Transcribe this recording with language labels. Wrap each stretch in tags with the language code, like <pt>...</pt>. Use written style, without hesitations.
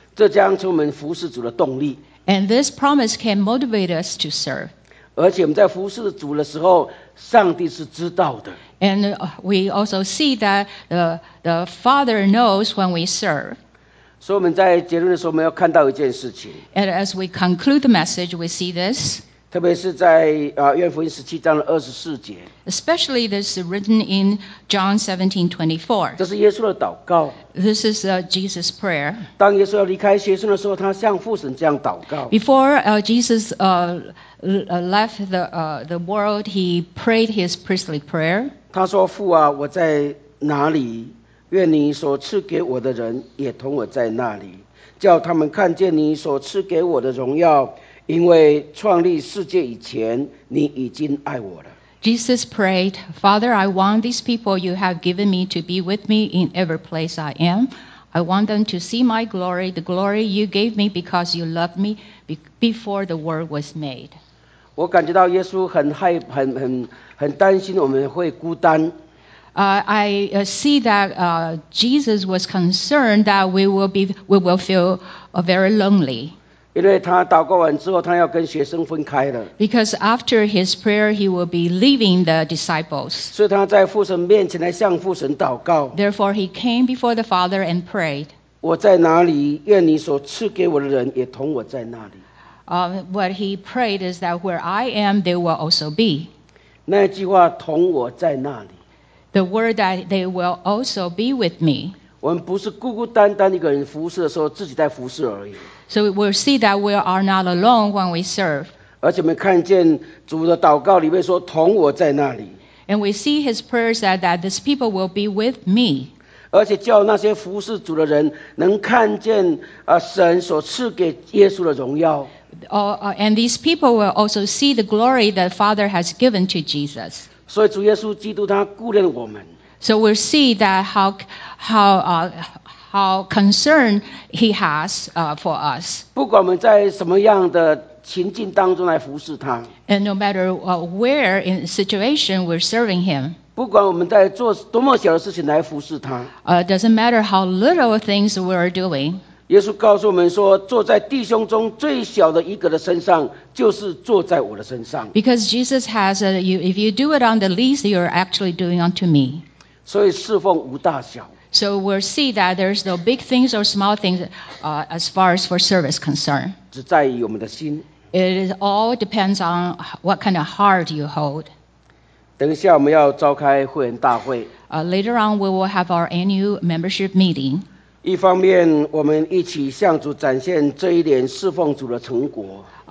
<zh>这将成我们服侍主的动力。</zh> <en>And this promise can motivate us to serve.</en> <zh>而且我们在服侍主的时候，上帝是知道的。</zh> <en>And we also see that the Father knows when we serve.</en> <zh>所以我们在结论的时候，我们要看到一件事情。</zh> <en>And as we conclude the message, we see this.</en> <zh>特别是在约翰福音十七章的二十四节。</zh> <en>Especially this is written in John 17:24.</en> <zh>这是耶稣的祷告。</zh> <en>This is Jesus' prayer.</en> <zh>当耶稣要离开学生的时候，他向父神这样祷告。</zh> <en>Before Jesus left the world, he prayed his priestly prayer.</en> <zh>他说：“父啊，我在哪里？愿你所赐给我的人也同我在那里，叫他们看见你所赐给我的荣耀，因为创立世界以前，你已经爱我了。”</zh> <en>Jesus prayed, Father, I want these people you have given me to be with me in every place I am. I want them to see my glory, the glory you gave me because you loved me. Before the world was made.</en> <zh>我感觉到耶稣很担心我们会孤单。</zh> <en>I see that Jesus was concerned that we will feel very lonely.</en> <zh>因为他祷告完之后，他要跟学生分开了。</zh> <en>Because after his prayer, he will be leaving the disciples.</en> <zh>所以他在父神面前来向父神祷告。</zh> <en>Therefore, he came before the Father and prayed.</en> <zh>我在哪里，愿你所赐给我的人也同我在那里。</zh> <en>What he prayed is that where I am, they will also be.</en> <zh>那句话，同我在那里。</zh> <en>The word that they will also be with me.</en> <zh>我们不是孤孤单单一个人服侍的时候，自己在服侍而已。</zh> <en>So we'll see that we are not alone when we serve.</en> <zh>而且我们看见主的祷告里面说，同我在那里。</zh> <en>And we see his prayers that these people will be with me.</en> <zh>而且叫那些服侍主的人能看见神所赐给耶稣的荣耀。</zh> <en>And these people will also see the glory that Father has given to Jesus.</en> <zh>所以主耶稣基督他顾念我们。</zh> <en>So we'll see that how concern he has for us.</en> <zh>不管我们在什么样的情境当中来服侍他。</zh> <en>And no matter where in situation we're serving him.</en> <zh>不管我们在做多么小的事情来服侍他。</zh> <en>Doesn't matter how little things we're doing.</en> <zh>耶稣告诉我们说，坐在弟兄中最小的一个的身上，就是坐在我的身上。</zh> <en>Because Jesus has a, if you do it on the least, you're actually doing unto me.</en> <zh>所以侍奉无大小。</zh> <en>So we'll see that there's no big things or small things as far as for service concern.</en> <zh>只在于我们的心。</zh> <en>It all depends on what kind of heart you hold.</en> <zh>等一下我们要召开会员大会。</zh> <en>Later on, we will have our annual membership meeting.</en> <zh>一方面我们一起向主展现这一点侍奉主的成果。</zh>